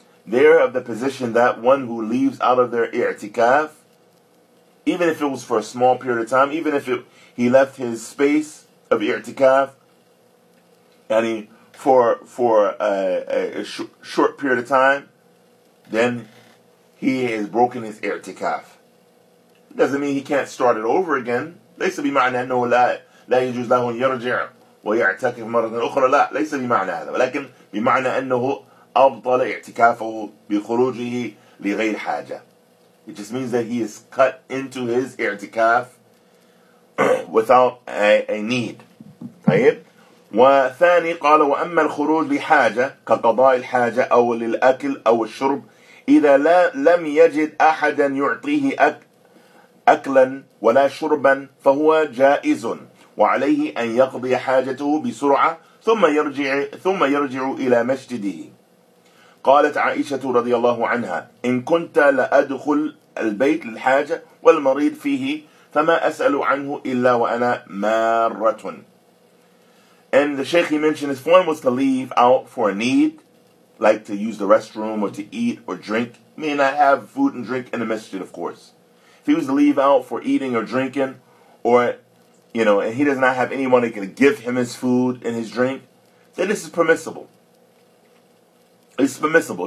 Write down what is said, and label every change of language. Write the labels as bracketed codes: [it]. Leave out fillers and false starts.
[en] They're of the position that one who leaves out of their i'tikaf, even if it was for a small period of time, even if he left his space of i'tikaf for a short period of time, then he has broken his i'tikaf. Doesn't mean he can't start it over again. [ar] ليس بمعنى أنه لا يجوز له أن يرجع ويعتكف مرة أخرى. لا ليس بمعنى هذا. ولكن بمعنى أنه أبطل اعتكافه بخروجه لغير حاجة. [en] It just means that he is cut into his i'tikaf without a need. [ar] طيب. وثاني قال وأما الخروج لحاجة كقضاء الحاجة أو للأكل أو الشرب إذا لم يجد أحدا يعطيه أكلا ولا شربا فهو جائز وعليه أن يقضي حاجته بسرعة ثم يرجع إلى مسجده. قالت عائشة رضي الله عنها إن كنت لأدخل البيت للحاجة والمريض فيه فما أسأل عنه إلا وأنا مارة. [en] And the Sheikh, he mentioned, if one was to leave out for a need, like to use the restroom or to eat or drink, may not have food and drink in the masjid, of course. If he was to leave out for eating or drinking, or, you know, and he does not have anyone that can give him his food and his drink, then this is permissible. It's permissible.